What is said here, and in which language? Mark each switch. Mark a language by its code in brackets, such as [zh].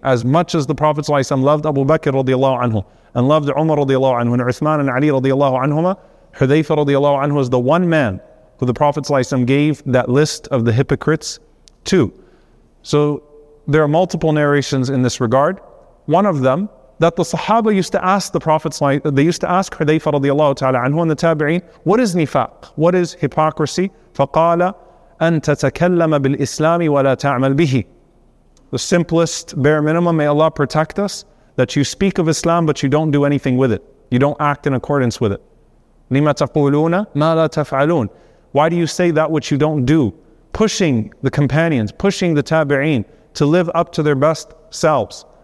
[en] As much as the Prophet ﷺ loved Abu Bakr radiallahu anhu and loved Umar radiallahu anhu and Uthman and Ali radiallahu anhuma, Hudhayfah radiallahu anhu is the one man who the Prophet ﷺ gave that list of the hypocrites to. So there are multiple narrations in this regard. One of them, that the Sahaba used to ask the Prophet ﷺ, they used to ask Hudhayfah radiallahu ta'ala anhu and the Tabi'een, what is nifaq? What is hypocrisy? [ar] فَقَالَ أن تتكلم بالإسلام ولا تعمل به. [en] The simplest bare minimum, may Allah protect us, that you speak of Islam but you don't do anything with it. You don't act in accordance with it. [ar] لما تقولون ما لا تفعلون. [en] Why do you say that which you don't do? Pushing the companions, pushing the tabi'een to live up to their best selves.